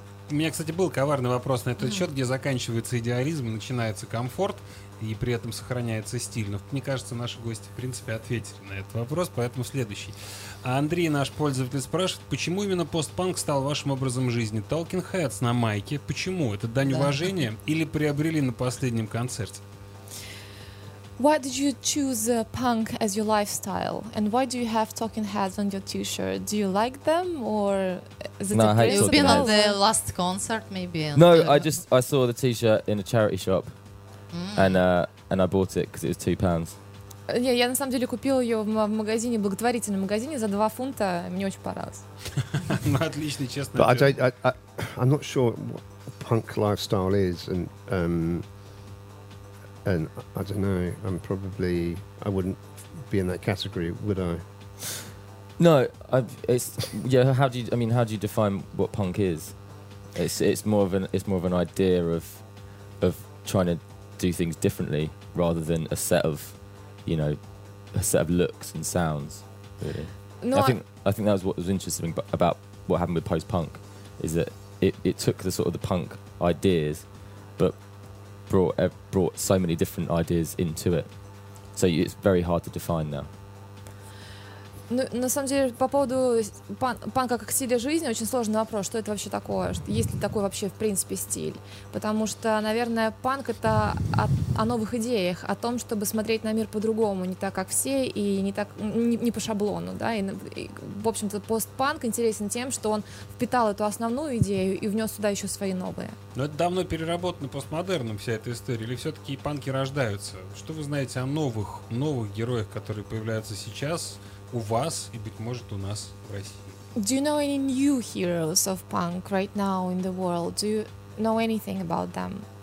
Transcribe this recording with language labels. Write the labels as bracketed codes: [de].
[ru] У меня, кстати, был коварный вопрос на этот счет, где заканчивается идеализм и начинается комфорт, и при этом сохраняется стиль. Но мне кажется, наши гости, в принципе, ответили на этот вопрос, поэтому следующий. А Андрей, наш пользователь, спрашивает, почему именно постпанк стал вашим образом жизни? Talking Heads на майке. Почему? Это дань уважения или приобрели на последнем концерте? [en] Why did you choose punk as your lifestyle? And why do you have talking heads on your t-shirt? Do you like them or is it a It's been heads. On the last concert maybe. No, I saw the t-shirt in a charity shop. And I bought it because it was £2. [ru] Не, я на самом деле купила ее в магазине, благотворительном магазине за 2 фунта. Мне очень понравилось. Ну, отлично, честно. [en] But I'm not sure what punk lifestyle is and I don't know, I wouldn't be in that category, would I? No, how do you define what punk is? It's more of an idea of trying to do things differently rather than a set of looks and sounds, really. I think that was what was interesting about what happened with post-punk, is that it took the sort of the punk ideas, but brought so many different ideas into it. So it's very hard to define now. [ru] Ну, на самом деле, по поводу панка как стиля жизни, очень сложный вопрос, что это вообще такое, есть ли такой вообще в принципе стиль, потому что, наверное, панк — это о новых идеях, о том, чтобы смотреть на мир по-другому, не так, как все, и не по шаблону, да, и в общем-то, постпанк интересен тем, что он впитал эту основную идею и внес сюда еще свои новые. Но это давно переработано постмодерном, вся эта история, или все-таки панки рождаются? Что вы знаете о новых героях, которые появляются сейчас у вас и, быть может, у нас в России? [en] Do you know any new heroes of punk right now in the world? Do you know anything about them?